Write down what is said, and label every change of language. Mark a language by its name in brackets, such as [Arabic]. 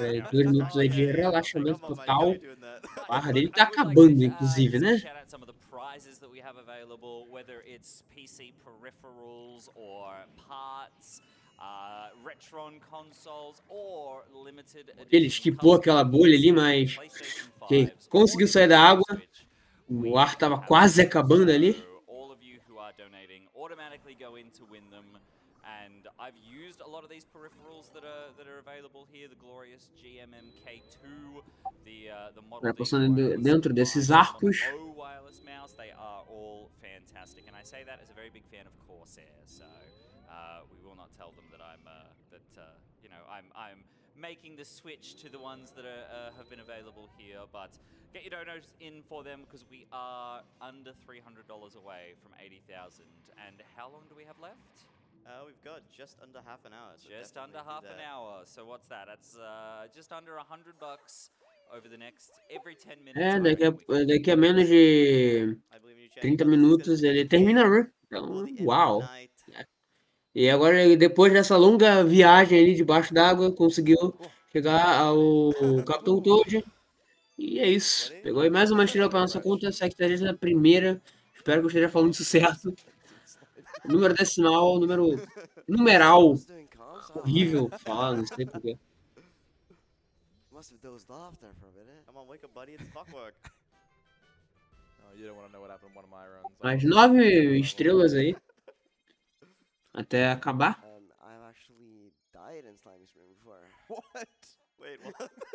[Portuguese] 2 minutos aí de relaxamento total. A barra dele tá acabando, inclusive, né? [English] Prizes that we have available, whether it's PC peripherals or parts, Retron consoles or limited edition. [Portuguese] Ele esquipou aquela bolha ali, mas que conseguiu sair da água. O ar estava quase acabando ali. [English] All of you who are donating automatically go in to win them. And I've used a lot of these peripherals that are available here, the glorious GMMK2, the model. [Portuguese] Na posição dentro desses arcos. [English] Wireless mouse, they are all fantastic, and I say that as a very big fan of Corsair. So we will not tell them that I'm making the switch to the ones that have been available here. But get your donors in for them because we are under $300 away from 80,000. And how long do we have left? We've got just under half an hour. Just under half an hour. So what's that? That's just under $100 over the next every 10 minutes. [Portuguese] É, daqui a menos de 30 minutos ele termina. Então, uau. E agora, depois dessa longa viagem ali debaixo d'água, conseguiu chegar ao Capitão Toad. E é isso. Pegou aí mais uma estrela para nossa conta. 7ª primeira. Espero que eu esteja falando isso certo. Número decimal, número numeral, horrível falar, não sei porquê. [English] Must have dozed off there for a minute. Come on, wake up, buddy, it's clockwork. Oh, you don't want to know what happened in one of my runs. [Portuguese] Mais 9 estrelas aí, até acabar. [English] I've actually died in Slimy's room before. What? Wait, what?